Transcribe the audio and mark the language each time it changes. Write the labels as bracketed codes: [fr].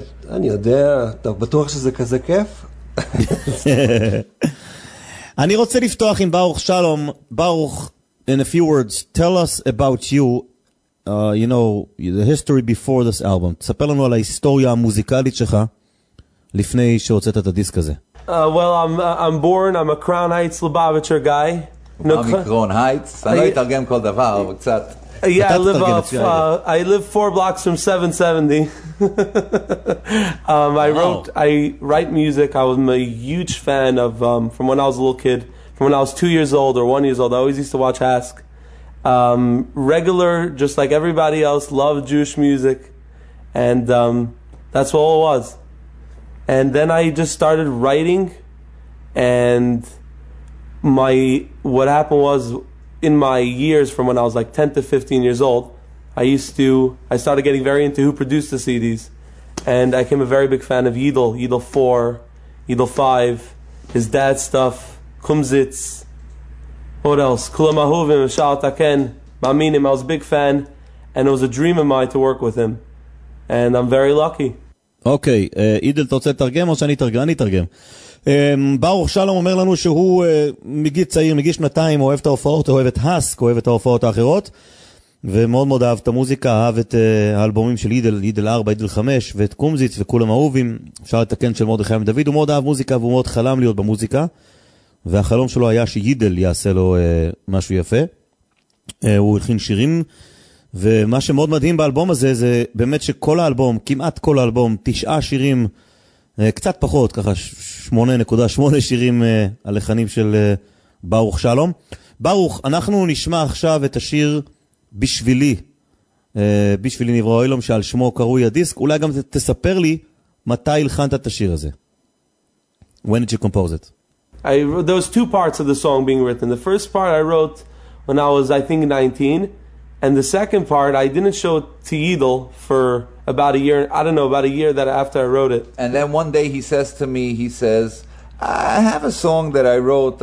[he] אני יודע, טוב, בטוח שזה כזה כיף. אני רוצה לפתוח עם ברוך שלום. [en] ברוך, in a few words, tell us about you, you know, the history before this album. [he] תספר לנו על ההיסטוריה המוזיקלית שלך לפני שהוצאת את הדיסק הזה. [en] Well, I'm born, I'm a Crown Heights Lubavitcher guy. [he] מקרון הייטס, אני לא אתרגם כל דבר, אבל קצת. [en] Yeah, I live up. I live 4 blocks from 770. I write music. I was a huge fan of from when I was a little kid, from when I was 2 years old or 1 year old. I always used to watch Ask. Regular, just like everybody else, loved Jewish music, and that's all it was. And then I just started writing, and what happened was, in my years from when I was like 10 to 15 years old, I started getting very into who produced the CDs, and I became a very big fan of Yidl, Yidl 4, Yidl 5, his dad's stuff, Kumzitz, what else, Kulam Ahuvim, Shal Taken, Maminim. I was a big fan, and it was a dream of mine to work with him, and I'm very lucky. Okay, Yidl, do you want to translate or do I translate? [he] ברוך שלום אומר לנו שהוא מגיל צעיר, מגיל שנתיים, אוהב את ההופעות, אוהב את הסק, אוהב את ההופעות האחרות, ומאוד מאוד אהב את המוזיקה, אהב את האלבומים של יידל, יידל 4, יידל 5, ואת קומזיץ וכולם אהובים, אפשר לתקן של מרדכי חיים דוד, הוא מאוד אהב מוזיקה והוא מאוד חלם להיות במוזיקה, והחלום שלו היה שיידל יעשה לו משהו יפה. הוא הכין שירים, ומה שמאוד מדהים באלבום הזה זה באמת שכל האלבום, כמעט כל האלבום, 9 שירים, קצת פחות, ככה 8.8 שירים הלחנים של ברוך שלום. ברוך, אנחנו נשמע עכשיו את השיר בשבילי, בשבילי נברא אוילום, שעל שמו קרוי הדיסק. אולי גם תספר לי מתי הלחנת את השיר הזה. [en] When did you compose it? There was two parts of the song being written. The first part I wrote when I was, I think, 19. And the second part, I didn't show it to Yidel for about a year. I don't know, about a year that after I wrote it. And then one day he says to me, he says, I have a song that I wrote.